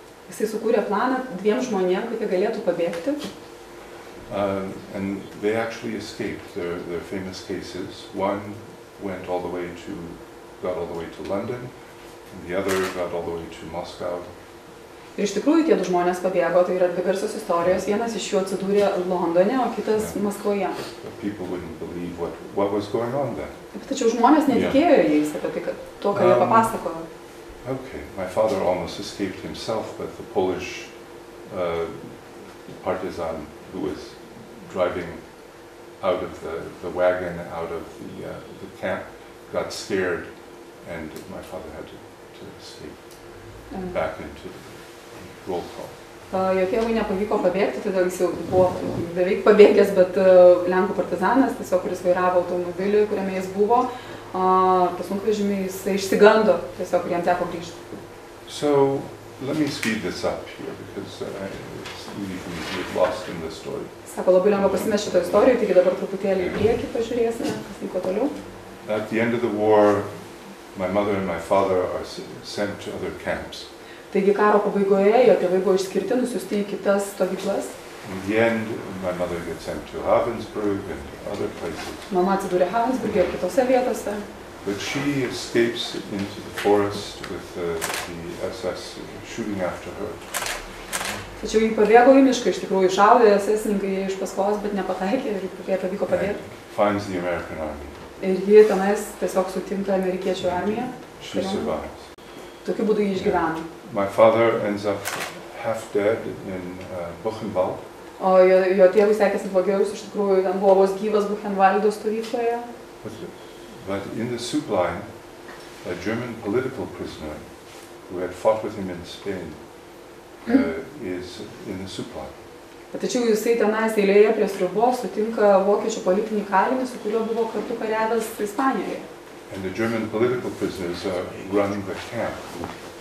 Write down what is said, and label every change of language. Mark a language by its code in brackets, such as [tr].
[lt] Jisai sukūrė planą dviem žmonėm, kad jie galėtų pabėgti. [en] And they actually escaped. Their famous cases. One went all the way to, got all the way to London, and the other got all the way to Moscow. [lt] Ir iš tikrųjų tie du žmonės pabėgo, tai yra dvi garsios istorijos. Vienas iš jų atsidūrė Londone, o kitas Maskvoje. [en] But people wouldn't believe what was going on then. [lt] Tačiau žmonės netikėjo jais apie tai, kad to, ką jie papasakojo. [en] Okay, my father almost escaped himself, but the Polish partisan who was driving out of the wagon, out of the camp, got scared, and my father had to escape back into the roll call. [lt] Jo tėvui nepavyko pabėgti, tada jis jau buvo beveik pabėgęs, bet Lenkų partizanas, tiesiog kuris vairavo automobilį, kuriame jis buvo, tas sunkvežimį jis išsigando, tiesiog kuriam teko grįžti. [en] So, let me speed this up here, because we've lost in the story. [lt] Sako, labai lengva pasimest šitą istoriją, taigi dabar truputėlį į priekį pažiūrėsime, kas vyko toliau. [en] At the end of the war, my mother and my father are sent to other camps. [lt] Taigi karo pabaigoje jo tėvai buvo išskirti, nusiųsti į kitas stovyklas. [en] In the end, my mother gets sent to Ravensbrück and other places. [lt] Mama atsidūrė Ravensbrücke ir kitose vietose. [en] But she escapes into the forest with the SS shooting after her. [lt] Tačiau ji pabėgo į mišką, iš tikrųjų šaudė SS-ininkai iš paskos, bet nepataikė ir jai pavyko pabėgti. [en] Finds the American army. [lt] Ir ji tenais tiesiog sutinka amerikiečių armiją. [en] She survives. [lt] Tokiu būdu ji išgyveno. [en] My father ends up half dead in Buchenwald. [lt] O jo tėvui sekėsi blogiau, iš tikrųjų ten buvo vos gyvas Buchenvaldo stovykloje. [en] But in the soup line, a German political prisoner who had fought with him in Spain is in the soup line. [lt] Tačiau jisai tenais eilėje prie sriubos sutinka vokiečių politinį kalinį, su kuriuo buvo kartu kariavęs Ispanijoje. [en] And the German political prisoners are running the camp.